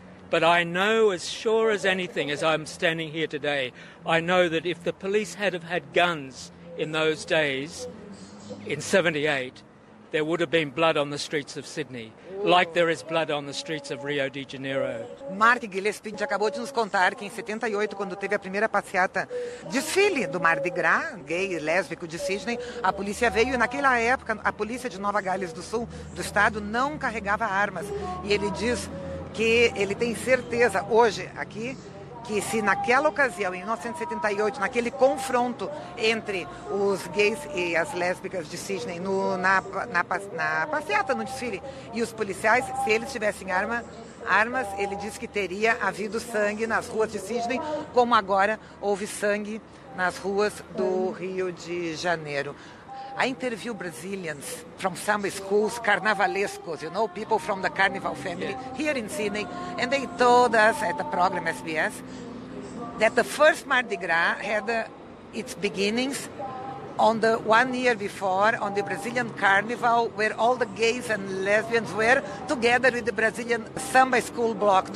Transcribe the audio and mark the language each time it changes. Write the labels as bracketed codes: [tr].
[en] But I know as sure as anything, as I'm standing here today, I know that if the police had have had guns in those days, in 78, there would have been blood on the streets of Sydney, like there is blood on the streets of Rio de Janeiro. [pt] Mark Gillespie acabou de nos contar que em 78, quando teve a primeira passeata desfile do Mardi Gras, gay e lésbico de Sydney, a polícia veio e naquela época a polícia de Nova Gales do Sul, do estado, não carregava armas. E ele diz que ele tem certeza hoje aqui que se naquela ocasião, em 1978, naquele confronto entre os gays e as lésbicas de Sidney na passeata, no desfile, e os policiais, se eles tivessem armas, ele disse que teria havido sangue nas ruas de Sidney, como agora houve sangue nas ruas do Rio de Janeiro. [en] I interview Brazilians from some schools, carnavalescos, you know, people from the carnival family here in Sydney, and they told us at the program SBS that the first Mardi Gras had its beginnings on the 1 year before, on the Brazilian carnival, where all the gays and lesbians were together with the Brazilian samba school block.